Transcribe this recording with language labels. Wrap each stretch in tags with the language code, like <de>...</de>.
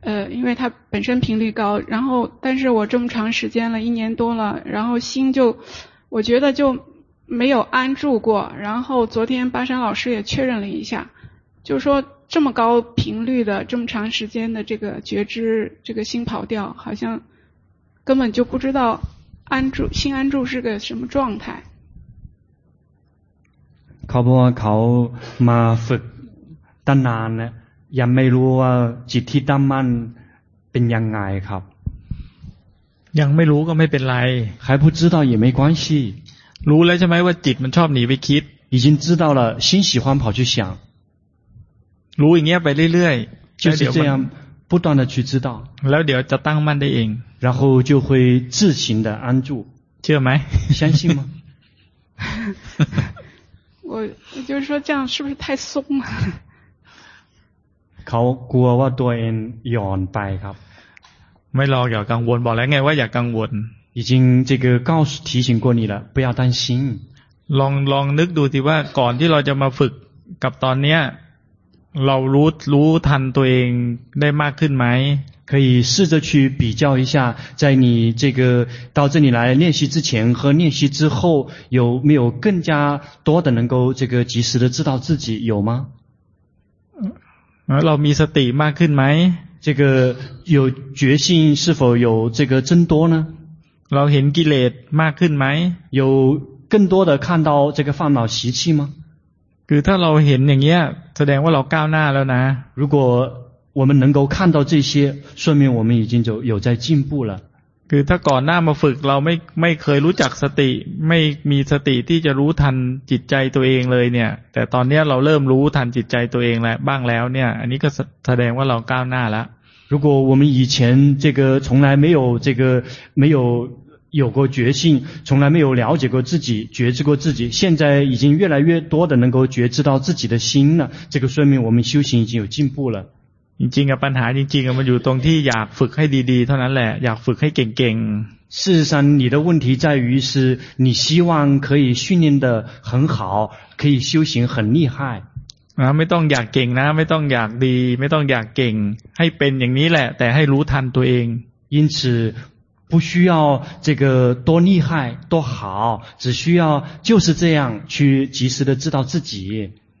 <zh>因为它本身频率高然后但是我这么长时间了一年多了然后心就我觉得就没有安住过然后昨天巴山老师也确认了一下就说这么高频率的这么长时间的这个觉知这个心跑掉好像根本就不知道安住心安住是个什么状态</zh> <th>เขาบอกว่าเขามาฝึกตั้งนานนะยังไม่รู้ว่าจิตที่ตั้งมั่นเป็นยังไงครับ ยังไม่รู้ก็ไม่เป็นไ</th> <zh>ร还不知道也没关系</zh> <th>รู้แล้วใช่ไหมว่าจิตมันชอบหนีไปคิด</th> <zh>已经知道了心喜欢跑去想</zh> <th>รู้อย่างเงี้ยไปเรื่อย</th> <zh>ๆ就是这样不断的去知道</zh> <th>แล้วเดี๋ยวจะตั้งมั่นได้เอง</th> <zh>然后就会自行的安住</zh> <th>เชื่อไหม</th> <zh>相信吗我就是说这样是不是太松了</zh> <th>เขากลัวว่าตัวเองหย่อนไปครับ ไม่รออย่ากังวลบอกแล้วไงว่าอย่ากังวล</th> <zh>已经这个告诉提醒过你了不要担心</zh> <th>ลองนึกดูสิว่าก่อนที่เราจะมาฝึกกับตอนเนี้ยเรารู้ทันตัวเองได้มากขึ้นไหม</th> <zh>可以试着去比较一下在你这个到这里来练习之前和练习之后有没有更加多的能够这个及时的知道自己有吗</zh> <th>เรามีสติมากขึ้นไหม</th> <zh>这个有决心是否有这个增多呢</zh> <th>เราเห็นกิเลสมากขึ้นไหม</th> <zh>有更多的看到这个烦恼习气吗</zh> <th>คือถ้าเราเห็นอย่างเงี้ยแสดงว่าเราก้าวหน้าแล้วนะ</th> <zh>如果我们能够看到这些说明我们已经有在进步了</zh> <th>คือถ้าก่อนหน้ามาฝึกเราไม่เคยรู้จักสติไม่มีสติที่จะรู้ทันจิตใจตัวเองเลยเนี่ยแต่ตอนเนี้ยเราเริ่มรู้ทันจิตใจตัวเองแล้วบ้างแล้วเนี่ยอันนี้ก็แสดงว่าเราก้าวหน้าแล้ว</th> <zh>如果我们以前这个从来没有这个没有有过觉性从来没有了解过自己觉知过自己现在已经越来越多的能够觉知到自己的心了这个说明我们修行已经有进步了</zh> <th>จริงๆอ่ะปัญหาจริงๆมันอยู่ตรงที่อยากฝึกให้ดีๆเท่านั้นแหละอยากฝึกให้เก่งๆ</th> <zh>事实上你的问题在于是你希望可以训练得很好可以修行很厉害</zh> <th>ไม่ต้องอยากเก่งนะไม่ต้องอยากดีไม่ต้องอยากเก่งให้เป็นอย่างนี้แหละแต่ให้รู้ทันตัวเอง</th> <zh>因此不需要这个多厉害多好只需要就是这样去及时的知道自己</zh>